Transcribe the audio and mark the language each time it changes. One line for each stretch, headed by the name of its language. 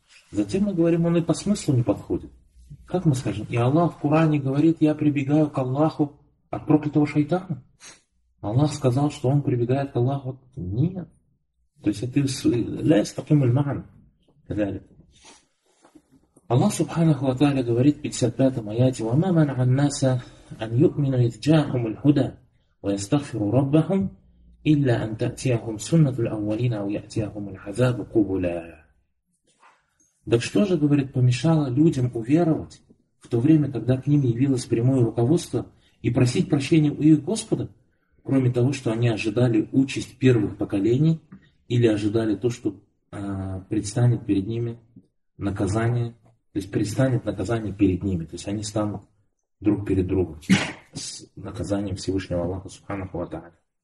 Russian: Затем мы говорим, он и по смыслу не подходит. Как мы скажем? И Аллах в Коране говорит: я прибегаю к Аллаху от проклятого шайтана. Аллах сказал, что он прибегает к Аллаху. Нет. То есть это ляс таким ульман. Аллах Субханаху ва Тааля говорит в 55-м аяте:
Arabic: وَمَا مَنَعَ النَّاسَ أَنْ يُؤْمِنُوا إِذْ جَاءَهُمُ الْهُدَى وَيَسْتَغْفِرُوا رَبَّهُمْ إِلَّا أَنْ تَأْتِيَهُمْ سُنَّةُ الْأَوَّلِينَ أَوْ يَأْتِيَهُمُ الْعَذَابُ قُبُلًا.
Russian: Так что же, говорит, помешало людям уверовать в то время, когда к ним явилось прямое руководство, и просить прощения у их Господа, кроме того, что они ожидали участь первых поколений или ожидали то, что предстанет перед ними наказание, то есть предстанет наказание перед ними, то есть они станут друг перед другом с наказанием Всевышнего Аллаха Субханаху ва Тааля.